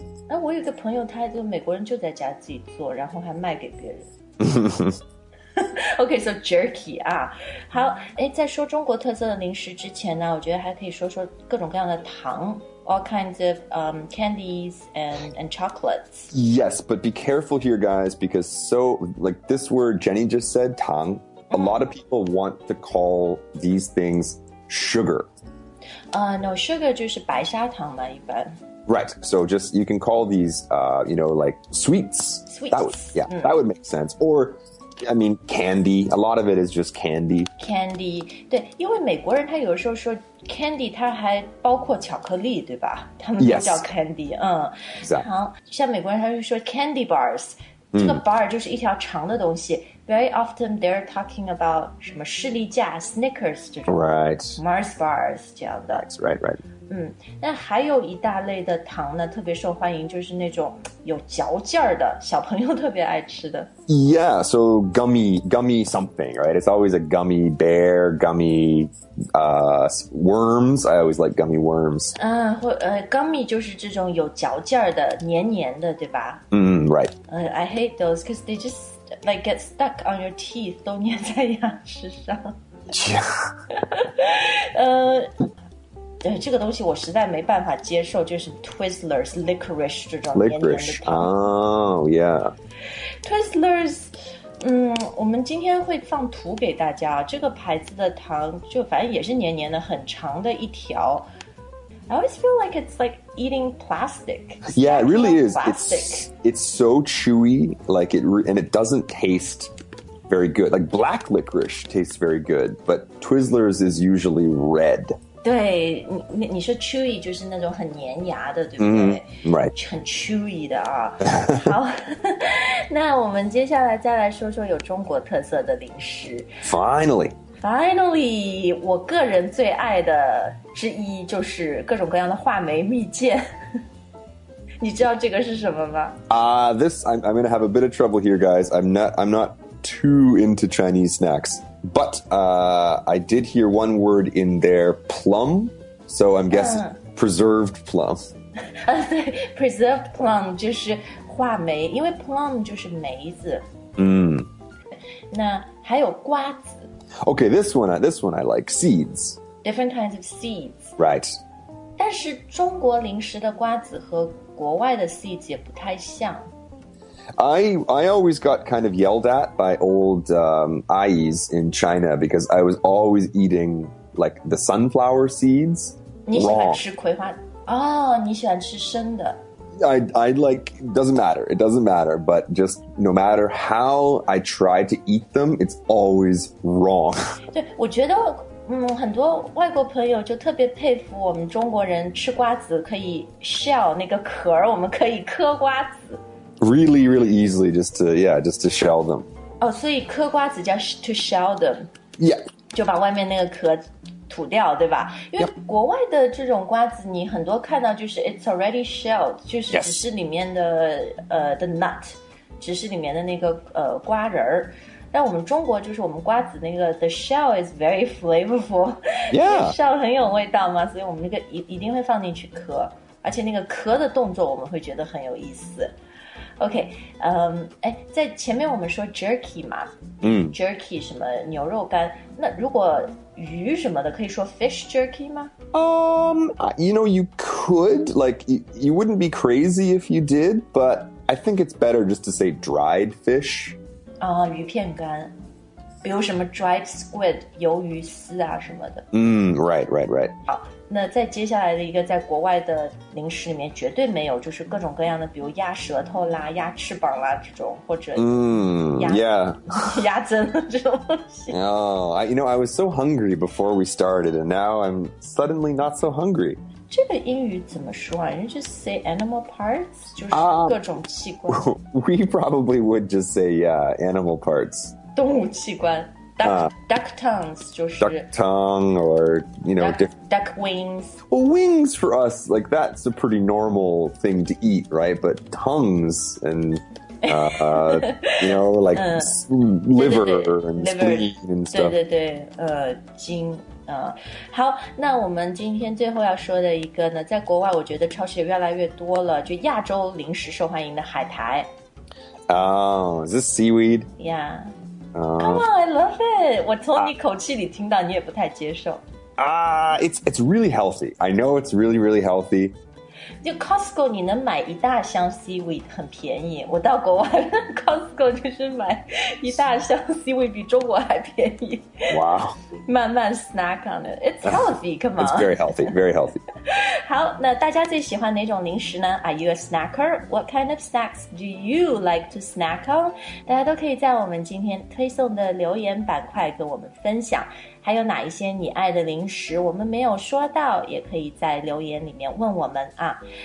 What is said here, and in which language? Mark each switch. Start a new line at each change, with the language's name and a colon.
Chinese: 哎，我有个朋友，他这个美国人就在家自己做，然后还卖给别人。
English: Okay, so jerky,
Chinese: 好，在说中国特色的零食之前呢，我觉得还可以说说各种各样的糖
English: all kinds of candies and chocolates. Yes, but be careful here, guys, because this word Jenny just said, 糖, a lot of people want to call these things sugar. No, sugar
Chinese: 就是白砂糖嘛，一般。
English: Right, so just, you can call these, sweets. Sweets. That would make sense, or... I mean, candy. A lot of it is just candy. Candy.
Chinese: 对，因为美国人他有时候说 candy, 他还包括巧克力，对吧？他们都叫 candy.
English: Yes. Exactly.
Chinese: 像美国人他就说 candy bars. 这个 bar 就是一条长的东西。
English: Very often they're talking about 什么士力架 Snickers
Chinese: 这种
English: Right
Chinese: Mars bars 这样的
English: That's right, right
Chinese: 那还有一大类的糖呢特别受欢迎就是那种有嚼劲儿的小朋友特别爱吃的
English: Yeah, so gummy something, right? It's always a gummy bear, gummy worms I always like gummy worms
Chinese: gummy 就是这种有嚼劲儿的黏黏的对吧
English: right I hate those because they justLike get stuck on your teeth,
Chinese: 都粘在牙齿上。
English: Yeah.
Chinese: 这个东西我实在没办法接受，就是 Twizzlers, licorice 这种黏黏的糖。
English: Oh, yeah.
Chinese: Twizzlers, 我们今天会放图给大家，这个牌子的糖就反正也是黏黏的，很长的一条。
English: I always feel like it's like eating plastic. Yeah, it really is. It's so chewy, like and it doesn't taste very good. Like black licorice tastes very good, but Twizzlers is usually red.
Chinese: 对，你说 chewy 就是那种很粘牙的，对不对？
English: Right.
Chinese: 很 chewy 的啊。好，那我们接下来再来说说有中国特色的零食。
English: Finally,
Chinese: 我个人最爱的之一就是各种各样的话梅蜜饯。你知道这个是什么吗？
English: This, I'm going to have a bit of trouble here, guys. I'm not too into Chinese snacks. But I did hear one word in there, plum. So I'm guessing preserved plum.
Chinese: preserved plum 就是话梅，因为 plum 就是梅子。那还有瓜子。
English: Okay, this one I like, seeds. Different kinds of seeds. Right.
Chinese: 但是中国零食的瓜子和国外的 seeds 也不太像。
English: I always got kind of yelled at by old aunties in China because I was always eating like the sunflower seeds.
Chinese: 你喜欢吃葵花？哦，你喜欢吃生的。
English: I like, it doesn't matter, but just no matter how I try to eat them, it's always wrong.
Chinese: 对，我觉得很多外国朋友就特别佩服我们中国人吃瓜子可以 shell 那个壳，我们可以嗑瓜子。
English: Really, really easily just to shell them.
Chinese: 哦，所以嗑瓜子叫
English: to shell them. Yeah.
Chinese: 就把外面那个壳吐掉对吧因为国外的这种瓜子你很多看到就是
English: it's already shelled
Chinese: 就是只是里面的、
English: yes. The nut
Chinese: 只是里面的那个、瓜仁但我们中国就是我们瓜子那个
English: the shell is very flavorful
Chinese: shell 很有味道嘛所以我们那个一定会放进去壳而且那个壳的动作我们会觉得很有意思 OK、在前面我们说 jerky 嘛、jerky 什么牛肉干那如果鱼什么的可以说 fish jerky 吗
English: you know you could like you wouldn't be crazy if you did but I think it's better just to say dried fish
Chinese: 啊、鱼片干比如什么 dried squid 鱿鱼丝啊什么的
English: right
Chinese: 好那在接下来的一个在国外的零食里面绝对没有就是各种各样的比如鸭舌头啦鸭翅膀啦这种或者鸭胗这种东西
English: oh, you know I was so hungry before we started and now I'm suddenly not so hungry
Chinese: 这个英语怎么说啊
English: you just say animal parts
Chinese: 就是各种器官
English: we probably would just say yeah animal parts
Chinese: 动物器官
English: Duck tongues,
Chinese: 就是
English: duck tongue or you know duck wings. Well, wings for us, like that's a pretty normal thing to eat, right? But tongues and you know, like liver
Chinese: 对对对
English: and spleen liver, and stuff.
Chinese: 对对对，筋好，那我们今天最后要说的一个呢，在国外我觉得超市也越来越多了，就亚洲零食受欢迎的海苔。
English: Is this seaweed? Yeah. Come on, I love it.
Chinese: 我从你口气里听到你也不太接受。
English: It's really healthy. I know it's really, really healthy.
Chinese: 就 Costco 你能买一大箱 seaweed 很便宜。我到国外 Costco 就是买一大箱 seaweed 比中国还便宜。
English: Wow.
Chinese: 慢慢
English: snack on it. It's healthy, come on. It's very healthy, very healthy.
Chinese: 好，那大家最喜欢哪种零食呢？
English: Are you a snacker? What kind of snacks do you like to snack on?
Chinese: 大家都可以在我们今天推送的留言板块跟我们分享。还有哪一些你爱的零食我们没有说到，也可以在留言里面问我们啊。